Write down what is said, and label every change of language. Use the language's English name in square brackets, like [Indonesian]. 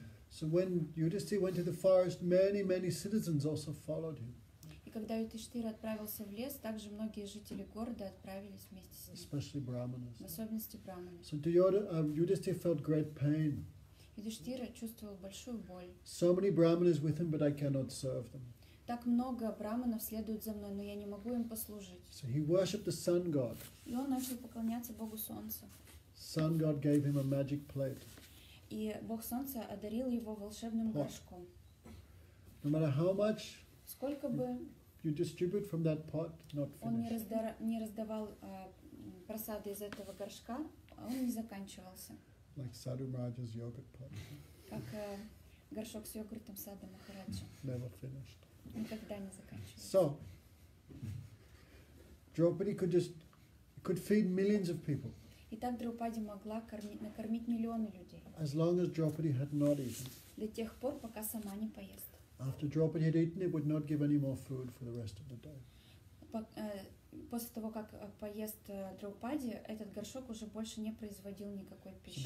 [English] So when Yudhishthira went to the forest, many, many citizens also followed him. [Russian] И когда Юдхиштхира отправился в лес, также многие жители города отправились вместе с ним. [English] Especially brahmanas. [Russian] В особенности брахманы. [English] So Yudhishthira felt great pain. [Russian] Юдхиштхира чувствовал большую боль. [English] So many brahmanas with him, but I cannot serve them. [Russian] Так много брахманов следует за мной, но я не могу им послужить. [English] So he worshipped the sun god. [Russian] И он начал поклоняться богу солнца. [English] Sun god gave him a magic plate. [Russian] И бог солнца одарил его волшебным горшком. [English] No matter how much [Russian] сколько бы [English] you distribute from that pot, not finished. [Russian] Он не раздавал просады из этого горшка, он не заканчивался. [English] Like Sadhu Maharaj's yogurt pot. [Russian] Как горшок с йогуртом Садху Махараджа. [English] Never finished. [Russian] Никогда не заканчивался. [English] So, Draupadi could feed millions of people. [Russian] И так Драупади могла накормить миллионы людей. [English] As long as Draupadi had not eaten. [Russian] До тех пор, пока сама не поест. [English] After Draupadi had eaten, it would not give any more food for the rest of the day. [Russian] После того, как поест Драупади, этот горшок уже больше не производил никакой пищи.